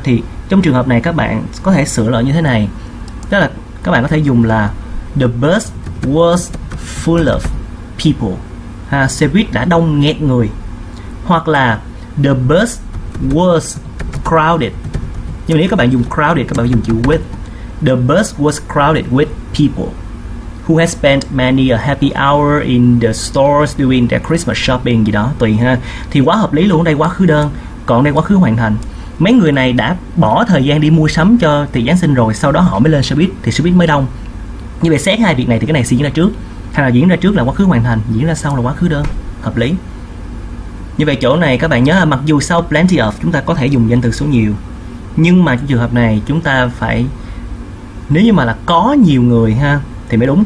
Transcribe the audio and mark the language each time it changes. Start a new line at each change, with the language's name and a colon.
Vietnamese: Thì trong trường hợp này các bạn có thể sửa lại như thế này. Tức là các bạn có thể dùng là
English: the bus was full of people.
Vietnamese: Ha, xe buýt đã đông nghẹt người. Hoặc là
English: the bus was crowded.
Vietnamese: Nhưng mà nếu các bạn dùng crowded, các bạn dùng chữ with.
English: The bus was crowded with people who had spent many a happy hour in the stores doing their Christmas shopping
Vietnamese: gì đó, tùy ha. Thì quá hợp lý luôn, đây quá khứ đơn. Còn đây quá khứ hoàn thành. Mấy người này đã bỏ thời gian đi mua sắm cho tiệc Giáng sinh rồi, sau đó họ mới lên xe buýt, thì xe buýt mới đông. Như vậy xét hai việc này thì cái này xin ra trước. Hay là diễn ra trước là quá khứ hoàn thành, diễn ra sau là quá khứ đơn, hợp lý. Như vậy chỗ này các bạn nhớ là mặc dù sau plenty of chúng ta có thể dùng danh từ số nhiều, nhưng mà trong trường hợp này chúng ta phải, nếu như mà là có nhiều người ha thì mới đúng.